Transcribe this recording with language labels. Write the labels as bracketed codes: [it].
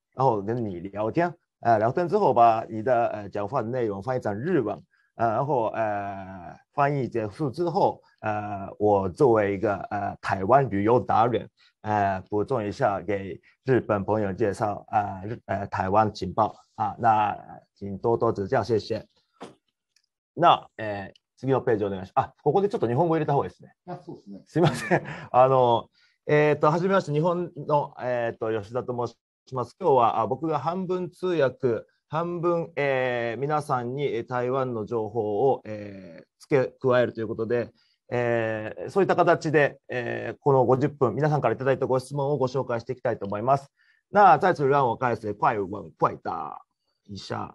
[zh] 然后跟你聊天，聊天之后把你的讲话的内容翻译成日文，然后翻译结束之后，我作为一个台湾旅游达人，补充一下给日本朋友介绍台湾情报啊，那请多多指教，谢谢。 [ja] 那次のページお願いします。啊，ここでちょっと日本語入れた方がいいですね。あ、そうですね。すみません。あの初めまして日本の吉田と申します。今日は僕が半分通訳、半分皆さんに台湾の情報を付け加えるということで、そういった形でこの50分、皆さんからいただいたご質問をご紹介していきたいと思います。 [zh] 那再次让我开始快问快答一下。